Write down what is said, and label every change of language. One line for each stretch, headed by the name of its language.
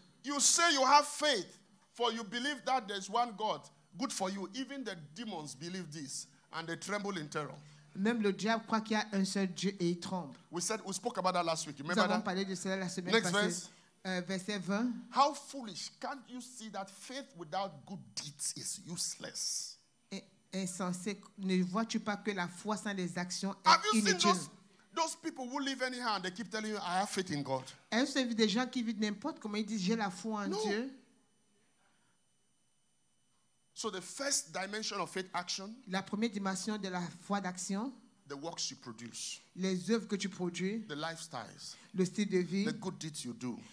English: You say you have faith, for you believe that there is one God. Good for you. Even the demons believe this and they tremble in terror.
French: Même le diable croit qu'il y a un seul Dieu et il tremble.
English: We said, we spoke about that last week.
French: Nous avons parlé de cela la semaine
English: Next
French: passée.
English: Verse.
French: Verset 20.
English: How foolish! Can't you see that faith without good deeds is useless?
French: Insensé. Ne vois-tu pas que la foi sans les actions est inutile?
English: Have you seen those people who live anyhow and they keep telling you, I have faith in God?
French: Est-ce vu des gens qui vivent n'importe comment, ils disent j'ai la foi en Dieu?
English: So the first dimension of faith action.
French: La première dimension de la foi d'action.
English: The works you produce.
French: Les œuvres que tu produis.
English: The lifestyles.
French: Le style de vie.
English: The good deeds you do.